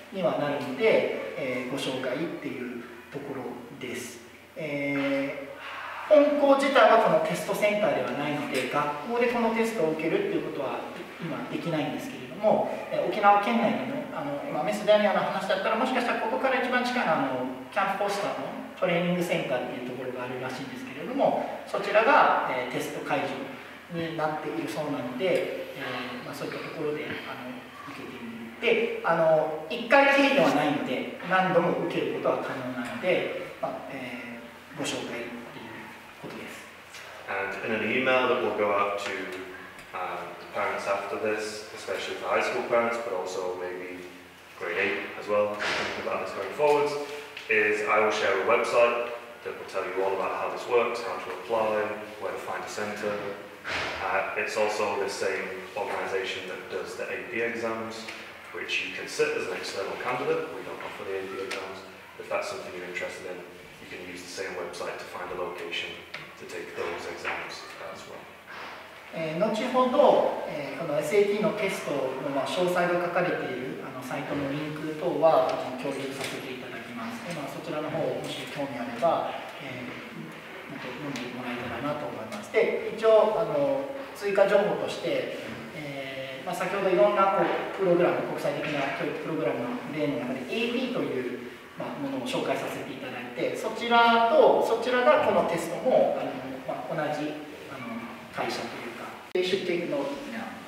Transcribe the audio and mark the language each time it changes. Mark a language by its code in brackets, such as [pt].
[ja] にはなるので、ご紹介っていうところです、本校自体はこのテストセンターではないので学校でこのテストを受けるっていうことは今できないんですけれども、沖縄県内の、メスダニアの話だったらもしかしたらここから一番近いキャンプポスターのトレーニングセンターっていうところがあるらしいんですけれどもそちらが、テスト会場になっているそうなので、そういったところで受けてみるで一回きりではないので何度も受けることは可能なので、ご紹介ということです。 [en] And in an email that will go out to the parents after this, especially for high school parents, but also maybe grade 8 as well, thinking about this going forwards, is I will share a website that will tell you all about how this works, how to apply, where to find a center. It's also the same organization that does the AP exams. Which you can sit as an external candidate. We don't offer the AP exams. If that's something you're interested in, you can use the same website to find a location to take those exams as well. [ja] 後ほど、この SAT のテストの詳細が書かれているサイトのリンク等は共有させていただきます。今そちららの方をもし興味あれば、もっと読んでもらえたらなと思います。で一応あの追加情報として、まあ、先ほどいろんなこうプログラム、国際的な教育プログラムの例の中で AB という、まあ、ものを紹介させていただいて、そちらとそちらがこのテストもあの、まあ、同じあの会社というか [en] They should take note now。